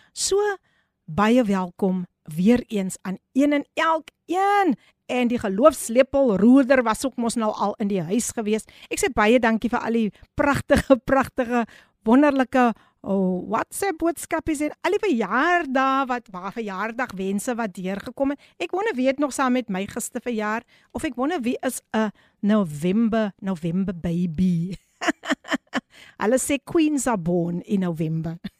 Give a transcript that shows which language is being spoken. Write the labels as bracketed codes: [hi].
[af] So, baie welkom weer eens aan een en elk een. En die geloofslepelroerder was ook mos nou al in die huis gewees. Ek sê baie dankie vir al die prachtige wonderlike WhatsApp boodskapies en al die verjaardag wat verjaardag wense wat deurgekom het. Ek wonder wie het nog saam met my gister verjaar of ek wonder wie is 'n November baby. Hulle sê [en] queens are born in November.